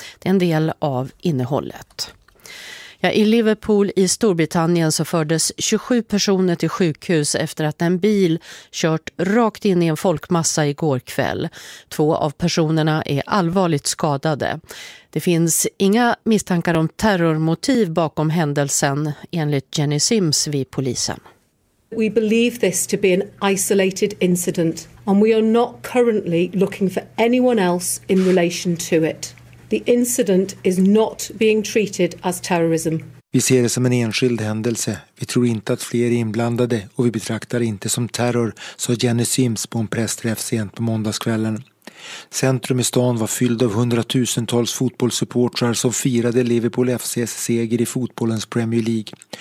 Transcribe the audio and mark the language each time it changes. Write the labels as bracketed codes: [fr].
[sv] Det är en del av innehållet. I Liverpool i Storbritannien så fördes 27 personer till sjukhus efter att en bil kört rakt in i en folkmassa igår kväll. 2 av personerna är allvarligt skadade. Det finns inga misstankar om terrormotiv bakom händelsen enligt Jenny Sims vid polisen. [en] We believe this to be an isolated incident and we are not currently looking for anyone else in relation to it. The incident is not being treated as terrorism. [sv] Vi ser det som en enskild händelse. Vi tror inte att fler är inblandade och vi betraktar det inte som terror, sa Jenny Sims på en pressträff sent på måndagskvällen. Centrum i stan var fylld av hundratusentals fotbollssupportrar som firade Liverpool FC:s seger i fotbollens Premier League.